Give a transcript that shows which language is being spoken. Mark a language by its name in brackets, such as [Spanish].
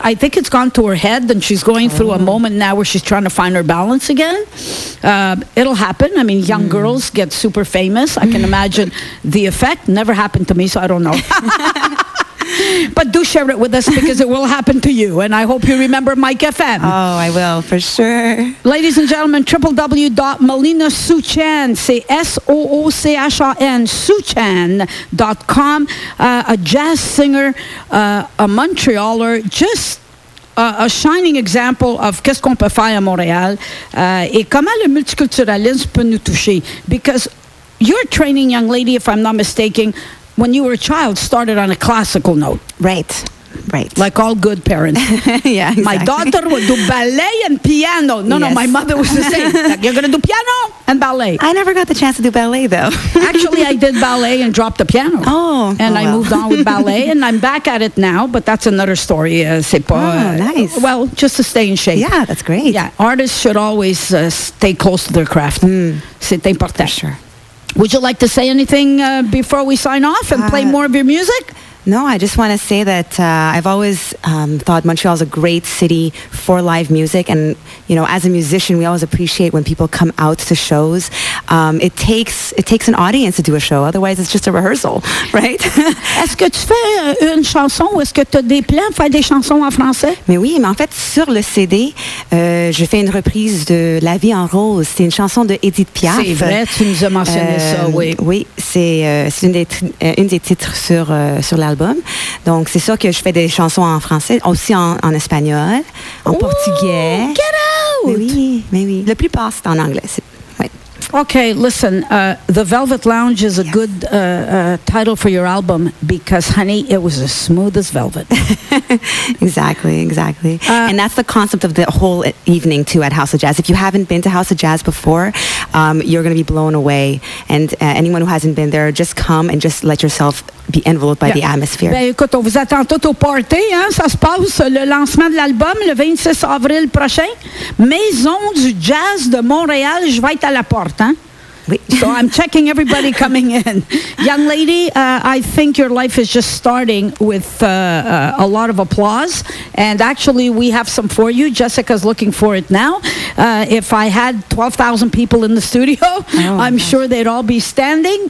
[English] I think it's gone to her head, and she's going through a moment now where she's trying to find her balance again. It'll happen. I mean, young girls get super famous. I can imagine the effect. Never happened to me, so I don't know. But do share it with us, because it will happen to you. And I hope you remember Mike FM. Oh, I will, for sure. Ladies and gentlemen, www.malinasuchan, say S-O-O-C-H-A-N, suchan.com, a jazz singer, a Montrealer, just a shining example of [French] qu'est-ce qu'on peut faire à Montréal, et comment le multiculturalisme peut nous toucher. [English] Because you're a training young lady, if I'm not mistaken, when you were a child, started on a classical note. Right. Like all good parents. Yeah, exactly. My daughter would do ballet and piano. No, my mother was the same. You're going to do piano and ballet. I never got the chance to do ballet, though. Actually, I did ballet and dropped the piano. I moved on with ballet, and I'm back at it now, but that's another story. [French] C'est pas, [English] nice. Well, just to stay in shape. Yeah, that's great. Yeah, artists should always stay close to their craft. Mm. [French] C'est important. [English] For sure. Would you like to say anything before we sign off and play more of your music? No, I just want to say that I've always thought Montreal is a great city for live music. And, you know, as a musician, we always appreciate when people come out to shows. It takes an audience to do a show. Otherwise, it's just a rehearsal, right? [French] Est-ce que tu fais une chanson ou est-ce que tu as des plans de faire des chansons en français? Mais oui, mais en fait, sur le CD, je fais une reprise de La vie en rose. C'est une chanson de Édith Piaf. C'est vrai, tu nous as mentionné ça, oui. Oui, c'est une des titres sur la album. Donc, c'est sûr que je fais des chansons en français, aussi en espagnol, en portugais. [English] Get out! [French] Mais oui. La plupart, c'est en anglais. Oui. [English] OK, listen, The Velvet Lounge is a good title for your album because, honey, it was as smooth as velvet. Exactly. And that's the concept of the whole evening, too, at House of Jazz. If you haven't been to House of Jazz before, you're going to be blown away. And anyone who hasn't been there, just come and just let yourself be enveloped by the atmosphere. [French] Ben écoute, on vous attend tout au party, hein? Ça se passe le lancement de l'album le 26 avril prochain. Maison du Jazz de Montréal, je vais être à la porte, hein? Oui. [English] So I'm checking everybody coming in. Young lady, I think your life is just starting with a lot of applause. And actually, we have some for you. Jessica's looking for it now. If I had 12,000 people in the studio, I'm sure they'd all be standing.